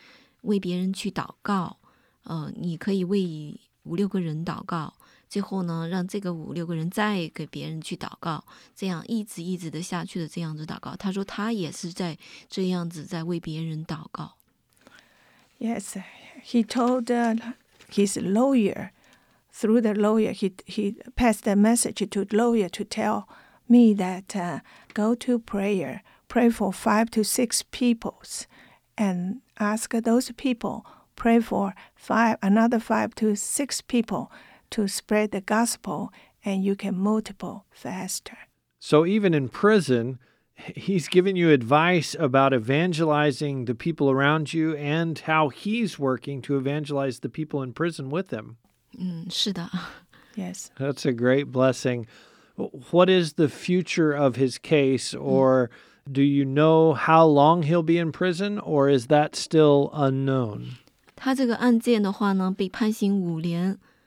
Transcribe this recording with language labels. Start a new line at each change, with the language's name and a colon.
Chinese: 是的，他完全的是靠着神，因为从最初的时候，律师会见的时候，他跟律师带给我的话语里面说，他说他希望我呢，能够在外面为别人去祷告。你可以为五六个人祷告，最后呢，让这个五六个人再给别人去祷告，这样一直一直的下去的这样子祷告。他说他也是在这样子在为别人祷告。
English: Yes, he told his lawyer, through the lawyer, he passed a message to lawyer to tell me that go to prayer, pray for 5 to 6 peoples, and ask those people. Pray for another five to six people to spread the gospel, and you can multiply faster. So even in prison, he's given you advice about evangelizing the people around you and how he's working to evangelize the people in prison with him.
Chinese: 是的.
English: Yes. That's a great blessing. What is the future of his case, or do you know how long he'll be in prison, or is that still unknown?
Chinese: 他这个案件的话呢，被判刑5年。